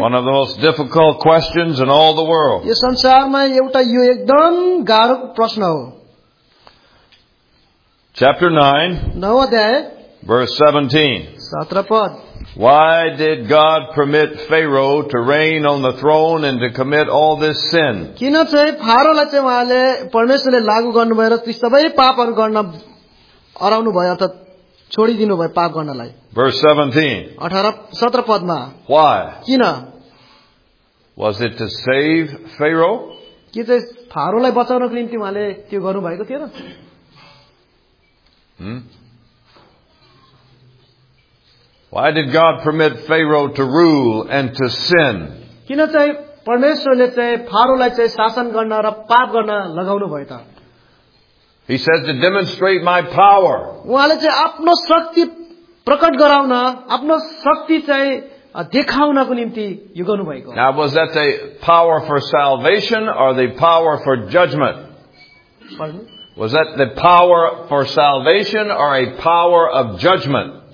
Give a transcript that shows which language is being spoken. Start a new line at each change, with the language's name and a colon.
English: One of the most difficult questions in all the world.
Nepali: यो संसारमा एउटा यो एकदम गाह्रो प्रश्न हो.
English: Chapter 9.
Nepali: नौ अध्याय.
English: Verse 17.
Nepali: 17 पद.
English: Why did God permit Pharaoh to reign on the throne and to commit all this sin?
Nepali: किन चाहिँ फारोलाई चाहिँ उहाँले परमेश्वरले लागू गर्नुभयो र ती सबै पापहरू गर्न अराउनु भयो अर्थात् छोडिदिनु भयो पाप गर्नलाई.
English: Verse 17.
Nepali: 17 पदमा.
English: Why?
Nepali: किन?
English: Was it to save Pharaoh?
Nepali: के चाहिँ फारोलाई बचाउनको निम्ति उहाँले त्यो गर्नुभएको थियो र?
English: Why did God permit Pharaoh to rule and to sin?
Nepali: किन चाहिँ परमेश्वरले चाहिँ फारोलाई चाहिँ शासन गर्न र पाप गर्न लगाउनु भयो त?
English: He says to demonstrate my power.
Nepali: उहाँले चाहिँ आफ्नो शक्ति प्रकट गराउन, आफ्नो शक्ति चाहिँ देखाउनको निम्ति यो गर्नु भएको.
English: Now was that the power for salvation or the power for judgment? Was that the power for salvation or a power of judgment?